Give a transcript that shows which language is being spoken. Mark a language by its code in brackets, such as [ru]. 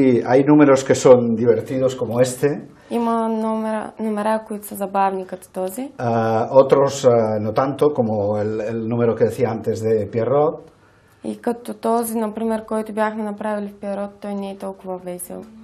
[es] Hay números que son divertidos como este. [bg] Има номера, които са забавни като този. [es] Otros no tanto, como el número que decía antes de Pierrot. [bg] И като този, например, който бяхме направили в Pierrot, той не е толкова весел.